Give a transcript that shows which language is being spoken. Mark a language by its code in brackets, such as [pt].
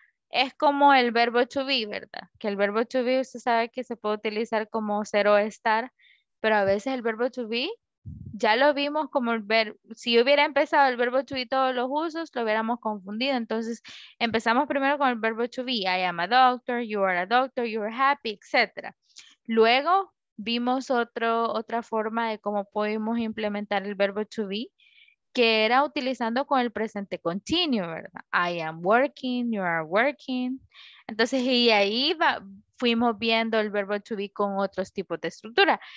[es] Es como el verbo to be, ¿verdad? Que el verbo to be usted sabe que se puede utilizar como ser o estar, pero a veces el verbo to be ya lo vimos como el verbo. Si hubiera empezado el verbo to be todos los usos, lo hubiéramos confundido. Entonces empezamos primero con el verbo to be. [en] I am a doctor, you are a doctor, you are happy, etc. [es] Luego vimos otra forma de cómo pudimos implementar el verbo to be, que era utilizando con el presente continuo, ¿verdad? [en] I am working, you are working. [es] Entonces, y ahí fuimos viendo el verbo to be con otros tipos de estructura.